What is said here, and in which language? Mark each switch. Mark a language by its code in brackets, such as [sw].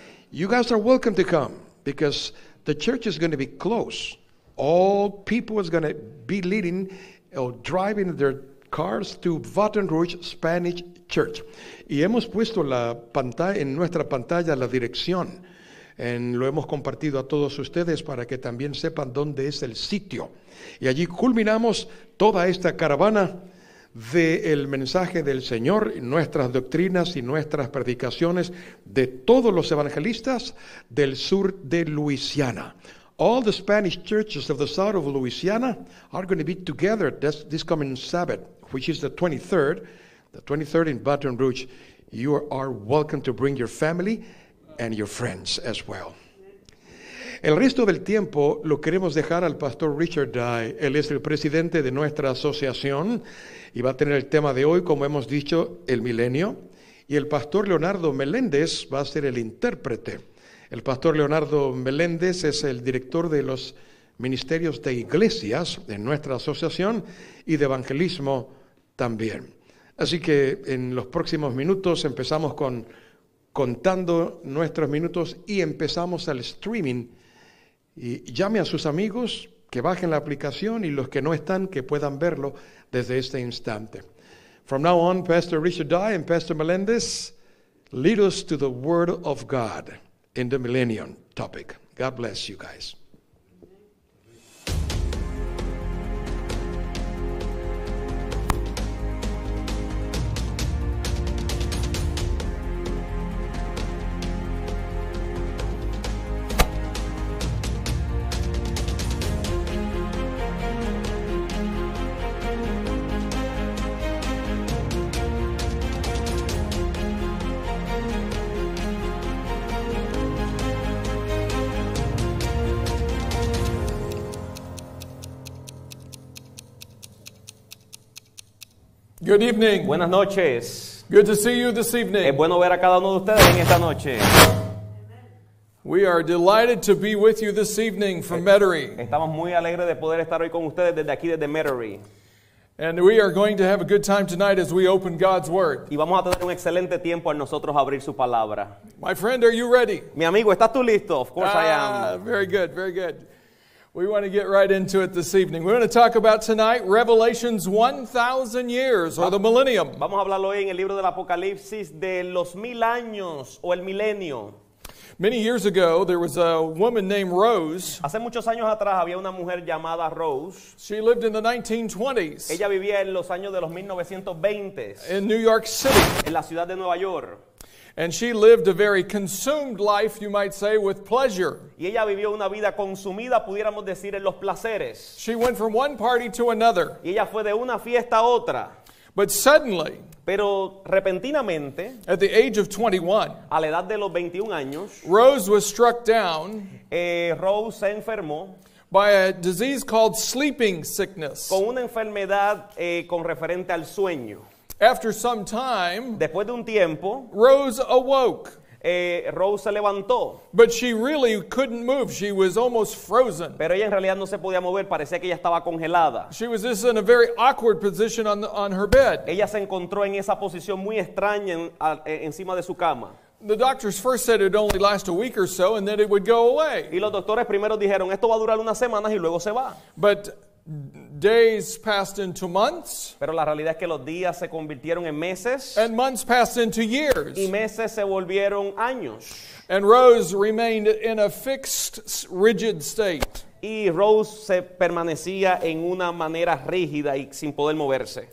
[en] You guys are welcome to come, because the church is going to be closed. All people is going to be leading or driving their cars to Baton Rouge Spanish Church. [es] Y hemos puesto en nuestra pantalla la dirección. Lo hemos compartido a todos ustedes para que también sepan dónde es el sitio. Y allí culminamos toda esta caravana del mensaje del Señor, nuestras doctrinas y nuestras predicaciones de todos los evangelistas del sur de Luisiana. [en] All the Spanish churches of the south of Louisiana are going to be together this coming Sabbath, which is the 23rd. the 23rd in Baton Rouge, you are welcome to bring your family and your friends as well. [es] El resto del tiempo lo queremos dejar al Pastor Richard Dye. Él es el presidente de nuestra asociación y va a tener el tema de hoy, como hemos dicho, el milenio. Y el Pastor Leonardo Melendez va a ser el intérprete. El Pastor Leonardo Melendez es el director de los ministerios de iglesias de nuestra asociación y de evangelismo también. Así que en los próximos minutos empezamos con contando nuestros minutos y empezamos al streaming. Y llame a sus amigos, que bajen la aplicación y los que no están, que puedan verlo desde este instante. [en] From now on, Pastor Richard Dye and Pastor Melendez lead us to the Word of God in the Millennium topic. God bless you guys. Good evening. [es] Buenas noches. [en] Good to see you this evening. [es] Es bueno ver a cada uno de ustedes en esta noche. [en] We are delighted to be with you this evening from Metairie. [es] Estamos muy alegres de poder estar hoy con ustedes desde aquí, desde Metairie. [en] And we are going to have a good time tonight as we open God's Word. [es] Y vamos a tener un excelente tiempo al nosotros abrir su palabra. [en] My friend, are you ready? [es] Mi amigo, ¿estás tú listo? [en] Of course I am. Very good, very good. We want to get right into it this evening. We're going to talk about tonight Revelation's 1,000 years or the millennium. [es] Vamos a hablarlo hoy en el libro del Apocalipsis de los mil años o el milenio. [en] Many years ago, there was a woman named Rose. [es] Hace muchos años atrás había una mujer llamada Rose. [en] She lived in the 1920s. [es] Ella vivía en los años de los 1920s. [en] In New York City. [es] En la ciudad de Nueva York. [en] And she lived a very consumed life, you might say, with pleasure. [es] Y ella vivió una vida consumida, pudiéramos decir, en los placeres. [en] She went from one party to another. [es] Y ella fue de una fiesta a otra. [en] But suddenly, [es] pero repentinamente, [en] at the age of 21, [es] a la edad de los 21 años, [en] Rose was struck down. [es] Rose se enfermó. [en] By a disease called sleeping sickness. [es] Con una enfermedad con referente al sueño. [en] After some time, [es] después de un tiempo, [en] Rose awoke. [es] Rose se levantó. [en] But she really couldn't move. She was almost frozen. [es] Pero ella en realidad no se podía mover. Parecía que ella estaba congelada. [en] She was just in a very awkward position on her bed. [es] Ella se encontró en esa posición muy extraña encima de su cama. [en] The doctors first said it'd only last a week or so, and then it would go away. [es] Y los doctores primero dijeron esto va a durar unas semanas y luego se va. [en] But days passed into months. [es] Pero la realidad es que los días se convirtieron en meses. [en] And months passed into years. [es] Y meses se volvieron años. [en] And Rose remained in a fixed, rigid state. [es] Y Rose se permanecía en una manera rígida y sin poder moverse.